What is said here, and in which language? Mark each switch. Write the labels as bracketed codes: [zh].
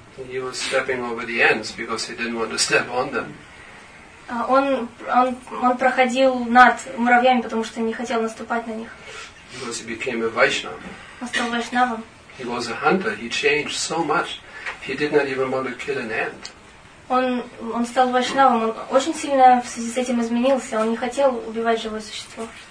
[en] He was stepping over the ants because he didn't want to step on them. [ru] Он проходил над муравьями, потому что не хотел наступать на них. [en] Because he became a Vaishnava. [ru] Он стал вайшнавом. [en] He was a hunter. He changed so much. He did not even want to kill an ant. [ru] Он стал вайшнавом. Он очень сильно в связи с этим изменился. Он не хотел убивать живое существо.